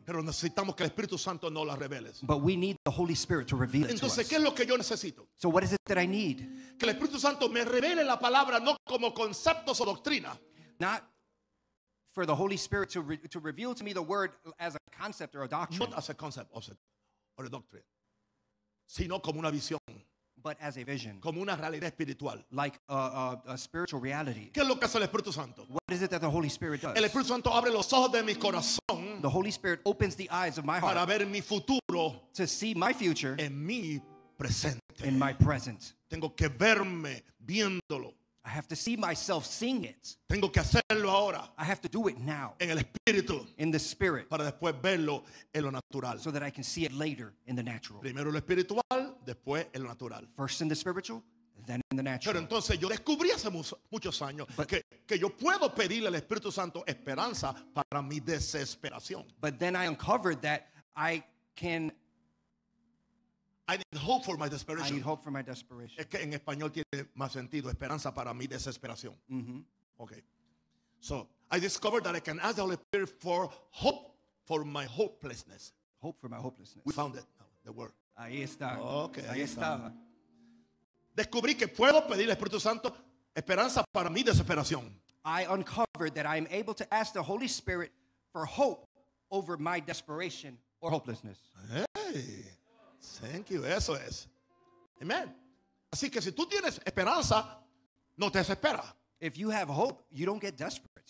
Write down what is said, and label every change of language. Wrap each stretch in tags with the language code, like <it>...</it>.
<es>Pero necesitamos que el Espíritu Santo no las revele.</es> <en>But we need the Holy Spirit to reveal</en> <es>entonces,</es> <en>it to us.</en> <es>Entonces, ¿qué es lo que yo necesito?</es> <en>So what is it that I need?</en> <es>Que el Espíritu Santo me revele la palabra no como conceptos o doctrina.</es> <en>Not for the Holy Spirit to reveal to me the word as a concept or a doctrine. Not as a concept or a doctrine.</en> <es>Sino como una visión.</es> <en>But as a vision.</en> <es>Como una realidad espiritual.</es> <en>Like a spiritual reality.</en> <es>¿Qué es lo que hace el Espíritu Santo?</es> <en>What is it that the Holy Spirit does?</en> <es>El Espíritu Santo abre los ojos de mi corazón.</es> <en>The Holy Spirit opens the eyes of my heart.</en> <es>Para ver mi futuro.</es> <en>To see my future.</en> <es>En mi presente.</es> <en>In my present.</en> <es>Tengo que verme viéndolo.</es> <en>I have to see myself seeing it.</en> <es>Tengo que hacerlo ahora.</es> <en>I have to do it now.</en> <es>En el espíritu.</es> <en>In the spirit.</en> <es>Para después verlo en lo natural.</es> <en>So that I can see it later in the natural.</en> <es>Primero lo espiritual, después en lo natural.</es> <en>First in the spiritual, then in the natural.</en> <es>Pero entonces yo descubrí hace muchos años que yo puedo pedirle al Espíritu Santo esperanza para mi desesperación.</es> <en>But then I uncovered that I can... I need hope for my desperation. I need hope for my desperation.</en> <es>Es que en español tiene más sentido. Esperanza para mi desesperación. Mm-hmm.</es> <en>Okay. So I discovered that I can ask the Holy Spirit for hope for my hopelessness. Hope for my hopelessness. We found it. The word.</en> <es>Ahí está.</es> <en>Okay.</en> <es>Ahí está. Descubrí que puedo pedir al Espíritu Santo esperanza para mi desesperación.</es> <en>I uncovered that I am able to ask the Holy Spirit for hope over my desperation or hopelessness. Hey. Thank you.</en> <es>Eso es.</es> <en>Amen.</en> <es>Así que si tú tienes esperanza, no te desesperas.</es> <en>If you have hope, you don't get desperate.</en>